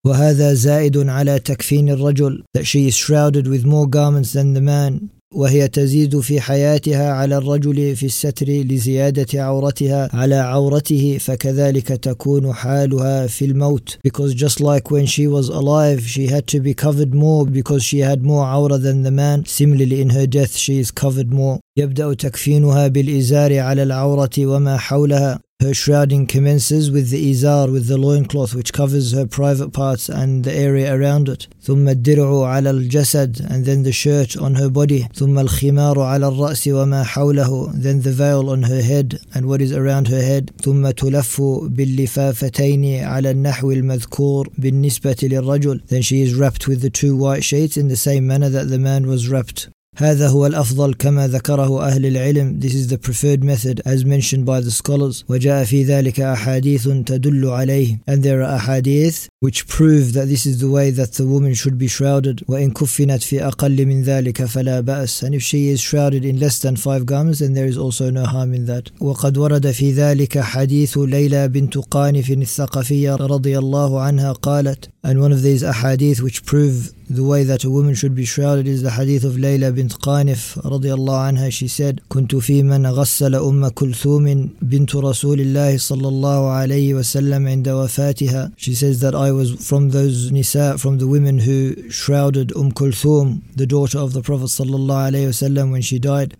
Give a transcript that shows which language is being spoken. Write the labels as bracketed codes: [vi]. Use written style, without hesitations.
[ar] وهذا زائد على تكفين الرجل. [en] That she is shrouded with more garments than the man. [ar] وهي تزيد في حياتها على الرجل في الستر لزيادة عورتها على عورته، فكذلك تكون حالها في الموت. [en] Because just like when she was alive, she had to be covered more because she had more عورة than the man. Similarly, in her death, she is covered more. [ar] يبدأ تكفينها بالإزار على العورة وما حولها. [en] Her shrouding commences with the izar, with the loincloth, which covers her private parts and the area around it. [ar] ثم الدرع على الجسد, [en] and then the shirt on her body. [ar] ثم الخمار على الرأس وما حوله, [en] then the veil on her head and what is around her head. [ar] ثم تلف باللفافتين على النحو المذكور بالنسبة للرجل. [en] Then she is wrapped with the two white sheets in the same manner that the man was wrapped. [ar] هذا هو الأفضل كما ذكره أهل العلم. [en] This is the preferred method as mentioned by the scholars. [ar] وجاء في ذلك أحاديث تدل عليه. [en] And there are أحاديث which prove that this is the way that the woman should be shrouded. [ar] وإن كفنت في أقل من ذلك فلا بأس. [en] And if she is shrouded in less than 5 garments, then there is also no harm in that. [ar] وقد ورد في ذلك حديث ليلى بنت قانف الثقفية رضي الله عنها قالت. [en] And one of these أحاديث which prove the way that a woman should be shrouded is the hadith of Layla bint Qanif radiyallahu anha. She said, [ar] كُنْتُ فِي مَنْ غَسَّلَ أُمَّ كُلْثُومٍ بِنْتُ رَسُولِ اللَّهِ صَلَّى اللَّهُ عَلَيْهِ وَسَلَّمَ عِنْدَ وَفَاتِهَا. [en] She says that I was from those nisa, from the women who shrouded Kulthum, the daughter of the Prophet صَلَّى اللَّهُ عَلَيْهِ وَسَلَّمَ, when she died.